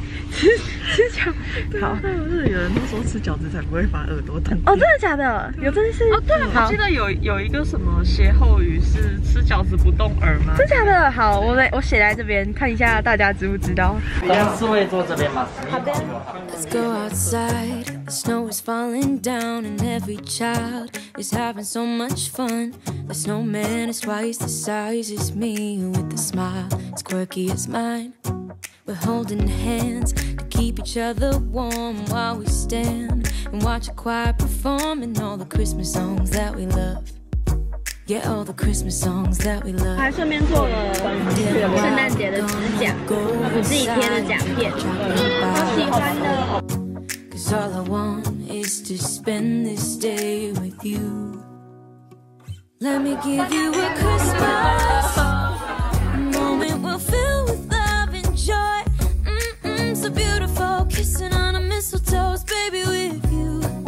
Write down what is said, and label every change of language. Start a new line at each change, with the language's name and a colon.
Chinese: 吃饺子。好，是有人都说吃饺子才不会把耳朵冻。哦，真的假的？有这件事？哦，对了，我记得有一个什么歇后语是吃饺子不动耳吗？真的假的？好，我写在这边，看一下大家知不知道。等四位坐这边吗？好的。
English: Let's go outside. The snow is falling down and every child is having so much fun. The snowman is twice the size as me with a smile as quirky as mine. We're holding hands to keep each other warm while we stand and watch a choir perform and all the Christmas songs that we love. Yeah, all the Christmas songs that we love.
Chinese: 还顺便做了圣诞节的指甲，我自己贴的甲片，好喜欢的。
English: All I want is to spend this day with you. Let me give you a Christmas moment we'll fill with love and joy. Mm-mm, so beautiful, kissing on a mistletoe's baby with you.